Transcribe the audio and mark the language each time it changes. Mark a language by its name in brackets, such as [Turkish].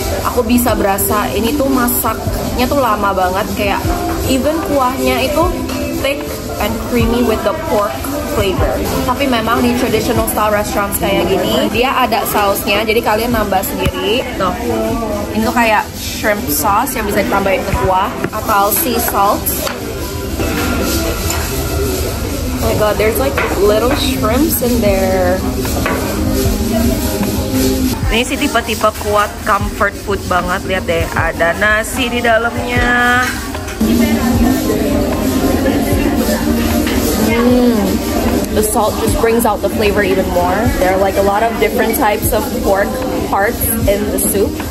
[Indonesian] Aku bisa berasa ini tuh masaknya tuh lama banget, kayak even kuahnya itu [English] thick and creamy with the pork flavor. [Indonesian] Tapi memang di [English] traditional style restaurants [Indonesian] kayak gini, dia ada sausnya, jadi kalian nambah sendiri. Tuh, ini tuh kayak shrimp sauce yang bisa ditambahin ke kuah atau [English] sea salt. Oh my god, there's like little shrimps in there. [Indonesian] Ini sih tipe-tipe kuat comfort food banget. Lihat deh, ada nasi di dalamnya. [English] The salt just brings out the flavor even more. There are like a lot of different types of pork parts in the soup.